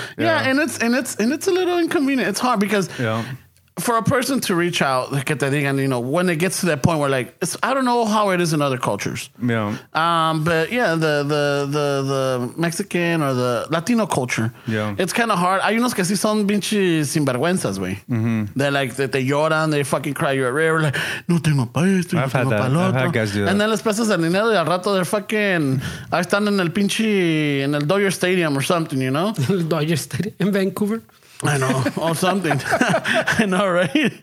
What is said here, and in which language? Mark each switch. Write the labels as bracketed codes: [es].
[en] Yeah, and it's a little inconvenient. It's hard because... Yeah. For a person to reach out, [es] que te digan, [en] you know, when it gets to that point where, like, it's, I don't know how it is in other cultures. Yeah. But yeah, the Mexican or the Latino culture. Yeah. It's kind of hard. [es] Hay unos que sí son pinches sinvergüenzas, güey. [en] They're like, that they [es] lloran, [en] they fucking cry, you're rare, like, [es] no tengo pa esto, [en] I've [es] no [en] had [es] tengo [en] that. [es] Pa lo otro. [en] I've had guys do that. And then [es] les pesas el dinero y al rato [en] they're fucking, [es] ahí están en el pinche, en el Dodger Stadium [en] or something, you know? El Dodger Stadium in Vancouver? I know, or something. I know, right?